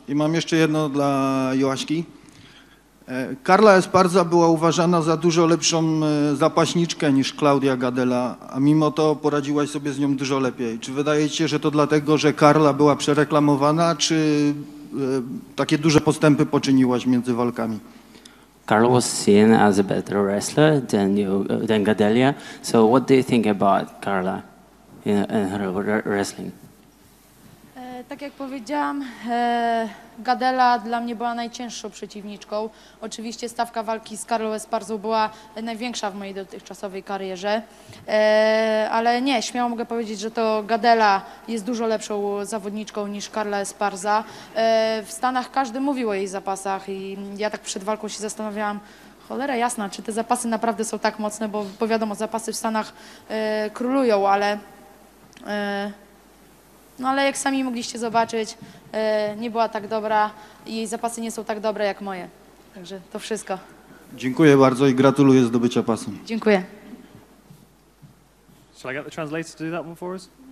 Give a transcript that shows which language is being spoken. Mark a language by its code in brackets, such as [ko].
[pl] I mam jeszcze jedno dla Joaśki. Karla Esparza była uważana za dużo lepszą zapaśniczkę niż Claudia Gadela, a mimo to poradziłaś sobie z nią dużo lepiej. Czy wydaje ci się, że to dlatego, że Karla była przereklamowana, czy takie duże postępy poczyniłaś między walkami? [en] Karla was seen as a better wrestler than Gadelia. So what do you think about Karla in her wrestling? [pl] Tak jak powiedziałam, Gadela dla mnie była najcięższą przeciwniczką. Oczywiście stawka walki z Karlą Esparzą była największa w mojej dotychczasowej karierze. Ale nie, śmiało mogę powiedzieć, że to Gadela jest dużo lepszą zawodniczką niż Karla Esparza. W Stanach każdy mówił o jej zapasach i ja tak przed walką się zastanawiałam, cholera jasna, czy te zapasy naprawdę są tak mocne, bo wiadomo, zapasy w Stanach królują, ale... No ale jak sami mogliście zobaczyć, nie była tak dobra i jej zapasy nie są tak dobre jak moje. Także to wszystko. Dziękuję bardzo i gratuluję zdobycia pasu. Dziękuję. [en] Shall I get the translator to do that one for us?